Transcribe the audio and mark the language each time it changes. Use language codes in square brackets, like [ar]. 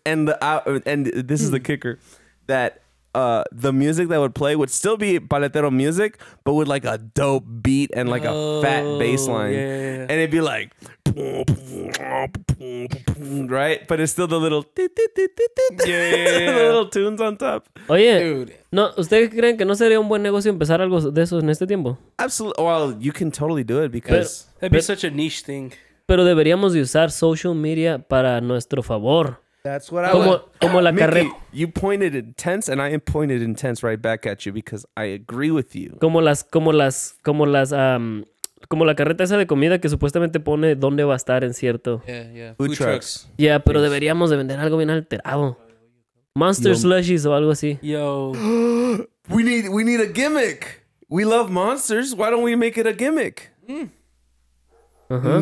[en] And this is the kicker that. The music that would play would still be paletero music, but with like a dope beat and like a fat bass line. Yeah, yeah, yeah. And it'd be like, boom, boom, boom, boom, right? But it's still the little, yeah. The little tunes on top. [es] Oye, dude. No, ¿ustedes creen que no sería un buen negocio empezar algo de eso en este tiempo? [en] Absolutely. Well, you can totally do it because... That'd be such a niche thing. [es] Pero deberíamos de usar social media para nuestro favor. [en] That's what [es] como la [en] Mickey, you pointed intense, and I pointed intense right back at you because I agree with you. [es] Como la carreta esa de comida que supuestamente pone dónde va a estar en cierto. [en] Yeah, yeah. Food trucks. [es] Yeah, pero please. Deberíamos de vender algo bien alterado. Monster slushies o algo así. Yo. [en] We need a gimmick. We love monsters. Why don't we make it a gimmick? Uh-huh.